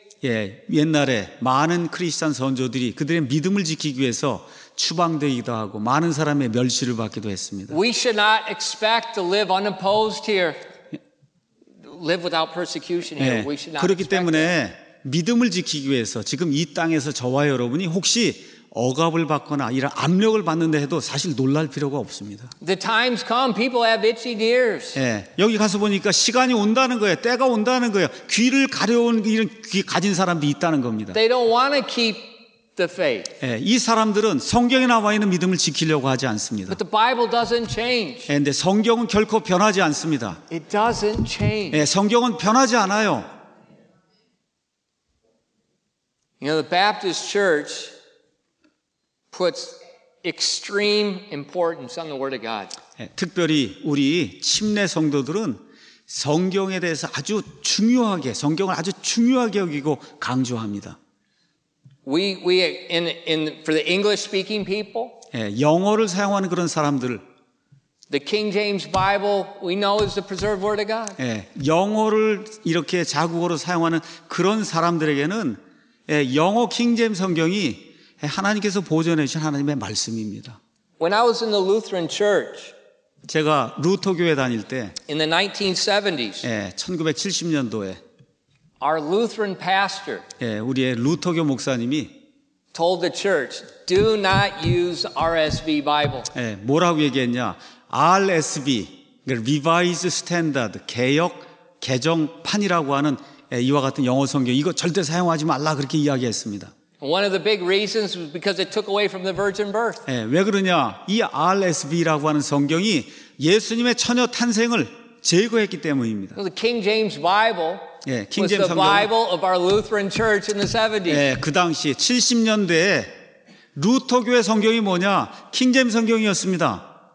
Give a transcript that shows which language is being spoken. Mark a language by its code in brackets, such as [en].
[ko] 예, 옛날에 많은 크리스천 선조들이 그들의 믿음을 지키기 위해서 추방되기도 하고 많은 사람의 멸시를 받기도 했습니다. [en] We should not expect to live unopposed here. Live without persecution here. [ko] 예, [en] We should not [ko] 그렇기 때문에 [en] that. [ko] 믿음을 지키기 위해서 지금 이 땅에서 저와 여러분이 혹시 억압을 받거나 이런 압력을 받는데 해도 사실 놀랄 필요가 없습니다. [en] The times come, people have itching ears. [ko] 예, 여기 가서 보니까 시간이 온다는 거예요, 때가 온다는 거예요. 귀를 가려온 이런 귀 가진 사람도 있다는 겁니다. [en] They don't want to keep the faith. [ko] 예, 이 사람들은 성경에 나와 있는 믿음을 지키려고 하지 않습니다. [en] But the Bible doesn't change. [ko] 예, 근데 성경은 결코 변하지 않습니다. [en] It doesn't change. [ko] 예, 성경은 변하지 않아요. [en] You know, the Baptist Church puts extreme importance on the Word of God. [ko] 특별히 우리 침례 성도들은 성경에 대해서 아주 중요하게 성경을 아주 중요하게 여기고 강조합니다. [en] We in for the English speaking people. [ko] 예, 영어를 사용하는 그런 사람들. [en] The King James Bible we know is the preserved word of God. [ko] 예, 영어를 이렇게 자국어로 사용하는 그런 사람들에게는 예, 영어 킹제임스 성경이 하나님께서 보존해 주신 하나님의 말씀입니다. [en] When I was in the Lutheran Church, [ko] 제가 루터 교회 다닐 때, [en] in the 1970s, [ko] 예, 1970년도에, [en] our Lutheran pastor, [ko] 예, 우리의 루터 교 목사님이 [en] told the church, do not use RSV Bible. [ko] 예, 뭐라고 얘기했냐? RSV, Revised Standard, 개역 개정판이라고 하는 예, 이와 같은 영어 성경 이거 절대 사용하지 말라 그렇게 이야기했습니다. One of the big reasons was because it took away from the virgin birth. 예, 왜 그러냐? 이 RSV라고 하는 성경이 예수님의 처녀 탄생을 제거했기 때문입니다. [en] The King James Bible, [ko] 예, [en] King James was the Bible of our Lutheran Church in the 70s. [ko] 예, 그 당시 70년대에 루터 교회 성경이 뭐냐? 킹제임스 성경이었습니다.